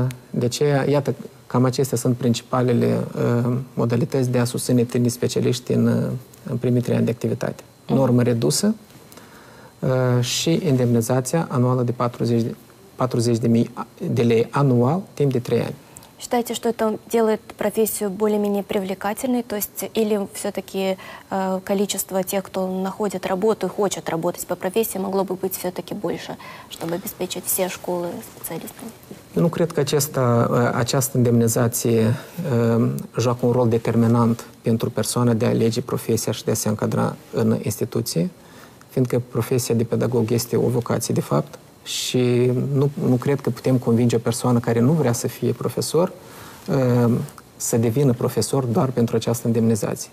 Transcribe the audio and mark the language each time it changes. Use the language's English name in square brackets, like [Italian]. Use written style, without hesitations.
[Romanian] De aceea, iată, cam acestea sunt principalele modalități de a susține tânii specialiști în primii 3 ani de activitate. Uh-huh. Normă redusă și indemnizația anuală de 40.000 de lei anual timp de 3 ani. [Russian] Считаете, что это делает профессию более-менее привлекательной, то есть или все-таки количество тех, кто находит работу и хочет работать по профессии, могло бы быть все-таки больше, чтобы обеспечить все школы специалистами? [Romanian] Ну, cred că această indemnizație joacă un rol determinant pentru persoana de a alege profesia și de a se încadra în instituție, fiindcă profesia de pedagog este o vocație, de fapt. Și nu cred că putem convinge o persoană care nu vrea să fie profesor să devină profesor doar pentru această indemnizație.